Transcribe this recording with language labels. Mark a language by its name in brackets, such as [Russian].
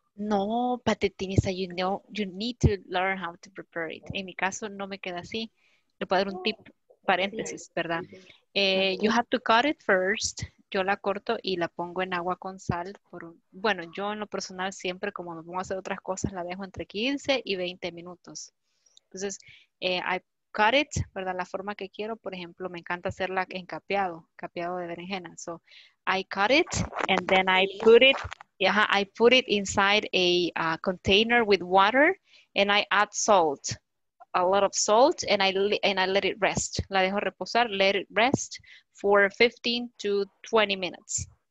[English] No, but the thing is that you know, you need to learn how to prepare it. [Spanish] En mi caso, no me queda así. Le puedo dar un tip, paréntesis, ¿verdad? [English] You have to cut it first. [Spanish] Yo la corto y la pongo en agua con sal. Bueno, yo en lo personal siempre, como me pongo a hacer otras cosas, la dejo entre 15 y 20 minutos. Entonces, [English] I cut it, [Spanish] ¿verdad? La forma que quiero, por ejemplo, me encanta hacerla en capeado, capeado de berenjena. [English] So, I cut it and then I put it, I put it inside a container with water and I add salt, a lot of salt, and I let it rest. [Spanish] La dejo reposar, [English] let it rest for 15 to 20 minutes.